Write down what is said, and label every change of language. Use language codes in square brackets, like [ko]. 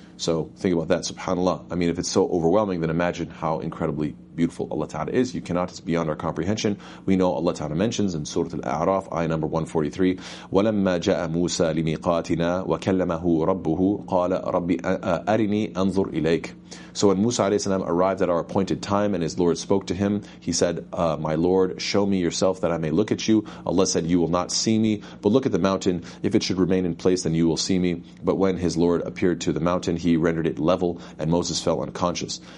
[en] So think about that, subhanAllah. I mean, if it's so overwhelming, then imagine how incredibly beautiful Allah Ta'ala is. You cannot, it's beyond our comprehension. We know Allah Ta'ala mentions in Surah Al-A'raf, ayah number 143, [ar] وَلَمَّا جَاءَ مُوسَى لِمِيقَاتِنَا وَكَلَّمَهُ رَبُّهُ قَالَ رَبِّ أَرِنِي أَنظُرْ إِلَيْكَ. [en] So when Musa alayhi salam arrived at our appointed time and his Lord spoke to him, he said, my Lord, show me yourself that I may look at you. Allah said, you will not see me, but look at the mountain. If it should remain in place, then you will see me. But when his Lord appeared to the mountain, he rendered it level and Moses fell unconscious.